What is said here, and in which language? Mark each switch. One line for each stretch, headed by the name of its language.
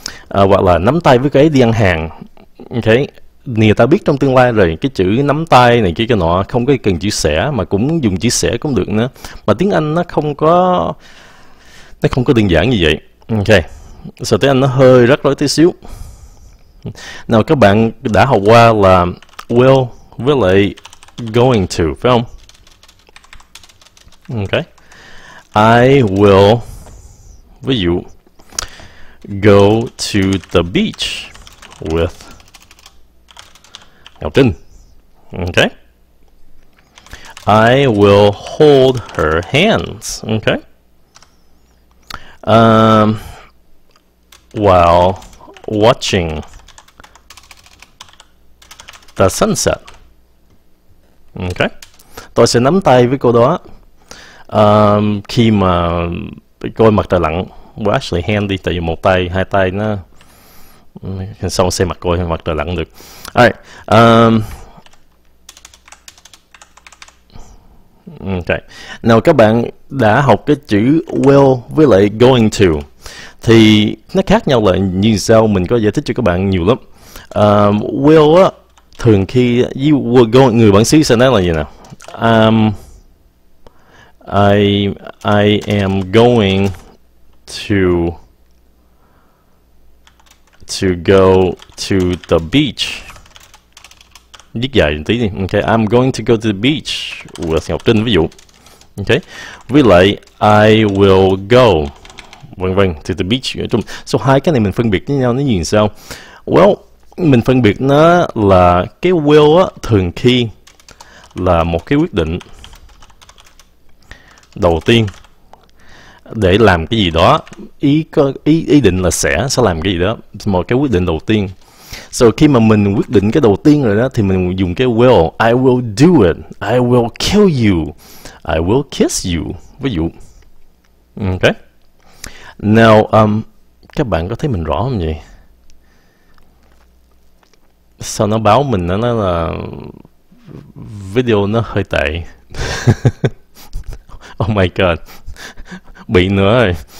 Vietnamese: Hoặc là nắm tay với cô ấy đi ăn hàng. Okay. Người ta biết trong tương lai rồi, cái chữ nắm tay này kia cái nọ không có cần chữ sẽ, mà cũng dùng chữ sẽ cũng được nữa. Mà tiếng Anh nó không có đơn giản như vậy. Okay. So tiếng Anh nó hơi rắc rối tí xíu. Nào các bạn đã học qua là will với lại going to, phải không?
English: Okay. I will,
Vietnamese: ví dụ,
English: go to the beach with Ngọc Trinh. Okay. I will hold her hands. Okay. While watching the sunset.
Vietnamese: Ok, tôi sẽ nắm tay với cô đó khi mà coi mặt trời lặn.
English: We actually hand it to you,
Vietnamese: một tay, hai tay nó xong xem mặt coi mặt trời lặn được. Alright, ok, nào các bạn đã học cái chữ will với lại going to thì nó khác nhau là như sau, mình có giải thích cho các bạn nhiều lắm. Will á, thường khi
English: you were going,
Vietnamese: người bản xứ sẽ nói là gì nào?
English: I am going to go to the beach.
Vietnamese: Dứt dài một tí đi.
English: Okay, I'm going to go to the beach with
Vietnamese: học sinh ví dụ.
English: Okay,
Vietnamese: với lại
English: I will go
Vietnamese: vâng vâng
English: to the beach.
Vietnamese: So hai cái này mình phân biệt với nhau nó như sao? Well, mình phân biệt nó là cái will á, thường khi là một cái quyết định đầu tiên để làm cái gì đó, ý định là sẽ làm cái gì đó, một cái quyết định đầu tiên. So khi mà mình quyết định cái đầu tiên rồi đó thì mình dùng cái will.
English: I will do it, I will kill you, I will kiss you ví dụ.
Vietnamese: Ok, now các bạn có thấy mình rõ không vậy? Sao nó báo mình, nó nói là video nó hơi tệ.
English: Oh my god.
Vietnamese: Bị nữa rồi.